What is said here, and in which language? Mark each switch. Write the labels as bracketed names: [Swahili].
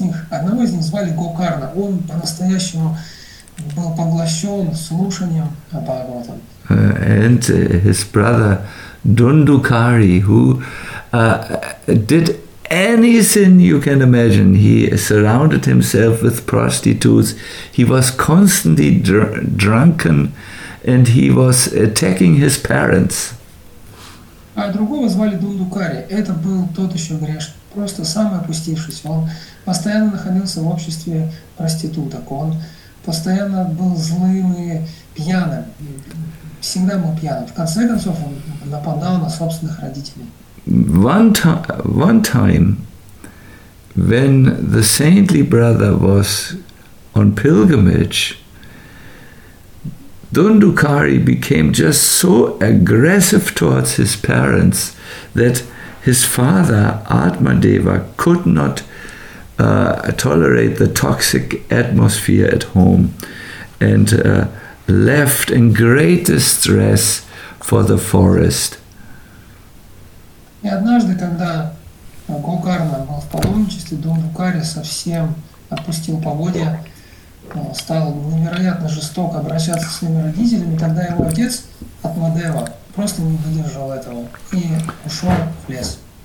[Russian] Одного из них звали Гокарна. Он по-настоящему был поглощен слушанием о Бхагаватам. [English] And his brother Dundukari, who did any sin you can imagine. He surrounded himself with prostitutes. He was constantly drunken and he was attacking his parents. [Russian] А другого звали Дундукари. Это был тот еще грешник. Просто самый опустившийся. Он постоянно находился в обществе проституток. Он постоянно был злым и пьяным. Всегда был пьяным. В конце концов, он нападал на собственных родителей. [English] One time, when the saintly brother was on pilgrimage, Dundukari became just so aggressive towards his parents that his father, Atmadeva, could not tolerate the toxic atmosphere at home and left in great distress for the forest. [Russian] И однажды, когда Гокарна был в паломничестве, Дундукари совсем отпустил поводья, стал невероятно жестоко обращаться со своими родителями, тогда его отец Атмадева просто не выдержал этого и ушел в лес.